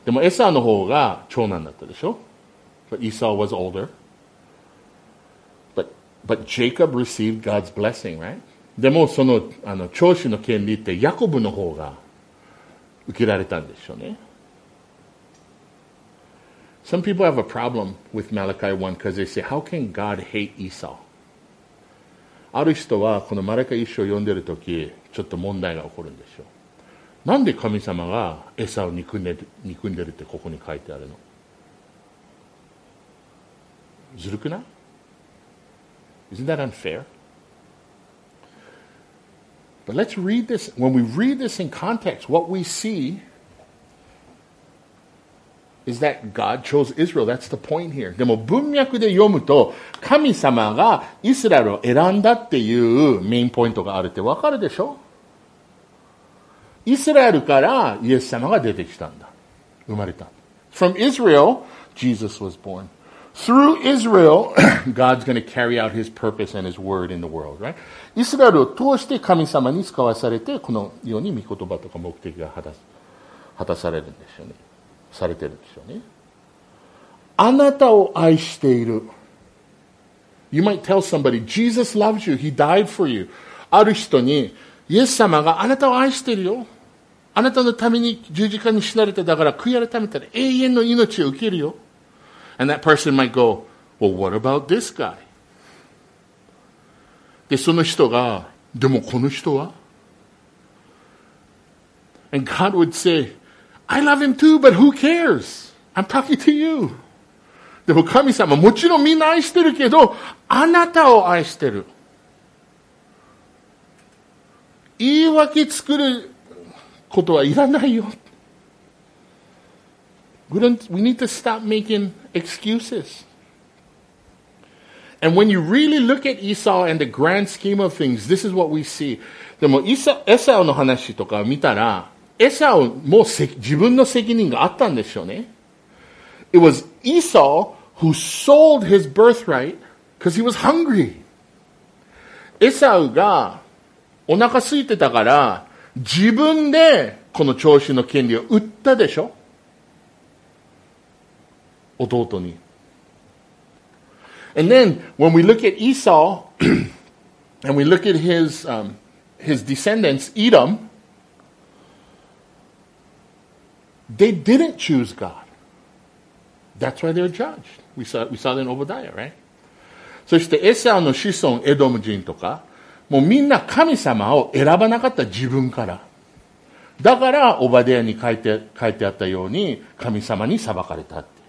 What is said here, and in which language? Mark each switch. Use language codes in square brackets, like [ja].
[ja] でもエサの方が長男だったでしょ。 [en] But Esau was older. But Jacob received God's blessing, right? [ja] でもその、あの、長子の権利ってヤコブの方が受けられたんでしょうね。 [en] Some people have a problem with Malachi 1 because they say, how can God hate Esau? [ja] ある人はこのマラカイ書を読んでるとき、ちょっと問題が起こるんでしょう。なんで神様がエサを憎んでるってここに書いてあるの？ずるくない？ [en] Isn't that unfair? But let's read this. When we read this in context, what we see is that God chose Israel. That's the point here. [ja] でも文脈で読むと、神様がイスラエルを選んだっていうメインポイントがあるってわかるでしょ？イスラエルからイエス様が出てきたんだ。生まれた。 [en] From Israel, Jesus was born. Through Israel, God's going to carry out his purpose and his word in the world, right? [ja] イスラエルを通して神様に使わされて、この世に御言葉とか目的が果たされるんでしょうね。されてるんでしょうね。あなたを愛している。 [en] You might tell somebody, Jesus loves you, he died for you. [ja] ある人に、イエス様があなたを愛してるよ。あなたのために十字架に死なれて、だから悔い改めたら永遠の命を受けるよ。 [en] And that person might go, well, what about this guy? [ja] で、その人が、でもこの人は？ [en] And God would say, I love him too, but who cares? I'm talking to you. [ja] でも神様、もちろんみんな愛してるけど、あなたを愛してる。言い訳作ることはいらないよ。 [en] We need to stop making excuses. And when you really look at Esau and the grand scheme of things, this is what we see. [ja] でも、エサウの話とかを見たら、エサウも自分の責任があったんでしょうね。 [en] It was Esau who sold his birthright because he was hungry. [ja] エサウが、お腹空いてたから、自分でこの長子の権利を売ったでしょ、弟に。 [en] And then when we look at Esau and we look at his、his descendants Edom, they didn't choose God. That's why they're judged. We saw that in Obadiah, right? [ja] そしてエサウの子孫エドム人とか、もうみんな神様を選ばなかった自分から。だからオバデヤに書いてあったように神様に裁かれたって。